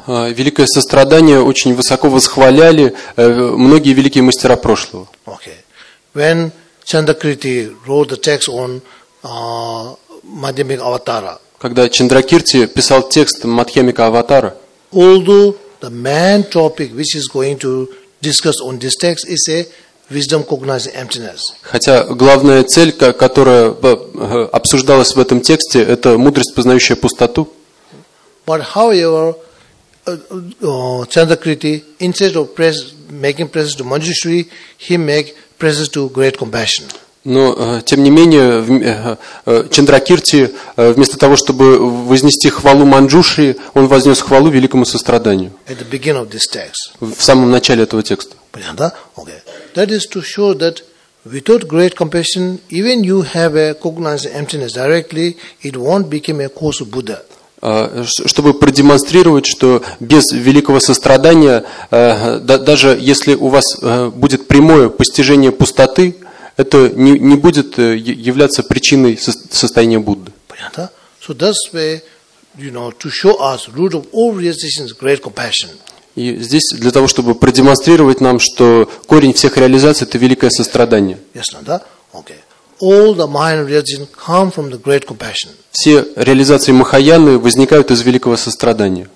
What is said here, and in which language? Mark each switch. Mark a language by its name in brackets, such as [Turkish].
[Russian] Великое сострадание очень высоко восхваляли многие великие мастера прошлого. [English] Okay. When Chandrakirti wrote the text on Madhyamika Avatara. [Russian] Когда Чандракирти писал текст Мадхьямика Аватара. [English] Although the main topic which is going to discuss on this text is a wisdom cognizing emptiness. [Russian] Хотя главная цель, которая обсуждалась в этом тексте, это мудрость познающая пустоту. [English] But however, Chandrakirti, instead of making praises to Manjushri, he make praises to great compassion. [Russian] Но тем не менее Чандракирти вместо того, чтобы вознести хвалу Манджуши, он вознес хвалу великому состраданию. [English] At the beginning of this text. [Russian] В самом начале этого текста. Понятно, да? [English] Okay. That is to show that without great compassion, even you have a cognizant emptiness directly, it won't become a cause of Buddha. [Russian] Чтобы продемонстрировать, что без великого сострадания, даже если у вас будет прямое постижение пустоты, это не будет являться причиной состояния Будды. Понятно? [English] So that's where, you know, to show us root of all realization is great compassion. [Russian] И здесь для того, чтобы продемонстрировать нам, что корень всех реализаций – это великое сострадание. Ясно, да? Окей. [English] All the Mahayana realization come from the great compassion. [Russian] Все реализации Махаяны возникают из великого сострадания.